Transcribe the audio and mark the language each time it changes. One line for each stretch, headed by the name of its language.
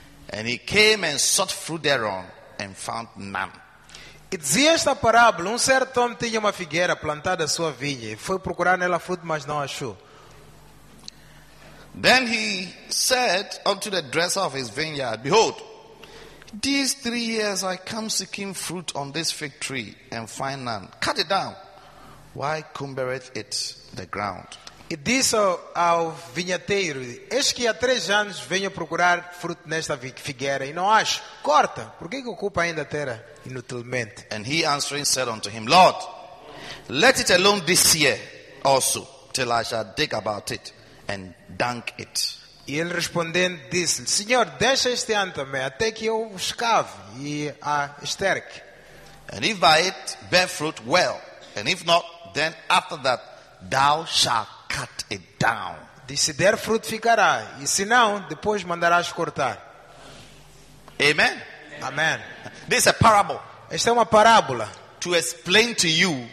English: And he came and sought fruit thereon and found none.
Portuguese: E dizia esta parábola: um certo homem tinha uma figueira plantada na sua vinha e foi procurar nela fruto, mas não achou.
English: Then he said unto the dresser of his vineyard, behold, these 3 years I come seeking fruit on this fig tree and find none. Cut it down. Why cumbereth it the ground?
Portuguese: E disse ao vinhateiro, eis que há 3 anos venho procurar fruto nesta figueira e não acho. Corta. Por que ocupa ainda a terra inutilmente?
English: And he answering said unto him, Lord, let it alone this year also, till I shall dig about it. And dunk it.
Portuguese: E ele respondendo disse-lhe, Senhor, deixa este ano também, até que eu escave e a esterque.
English: And if by it bear fruit, well. And if not, then after that, thou shalt cut it down.
Portuguese: E se der fruto, ficará. E se não, depois mandarás cortar.
English: Amen. Amen. This is a parable.
Portuguese: Esta é uma parábola.
English: To explain to you.